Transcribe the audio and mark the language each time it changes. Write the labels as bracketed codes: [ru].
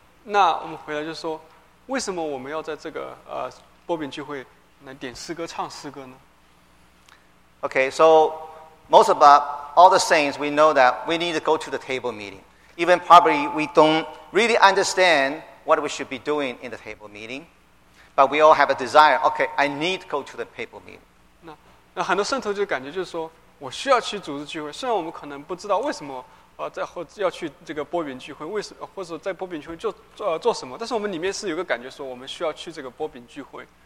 [zh] 那我们回来就说，为什么我们要在这个波饼聚会来点诗歌唱诗歌呢 [en] ？Okay, so most of all the saints, we know that we need to go to the table meeting. Even probably we don't really understand. What we should be doing in the table meeting, but we all have a desire. Okay, I need to go to the table meeting. [zh] 那很多圣徒就感觉就是说我需要去组织聚会。虽然我们可能不知道为什么要去这个波饼聚会，或者在波饼聚会做什么，但是我们里面是有个感觉说我们需要去这个波饼聚会。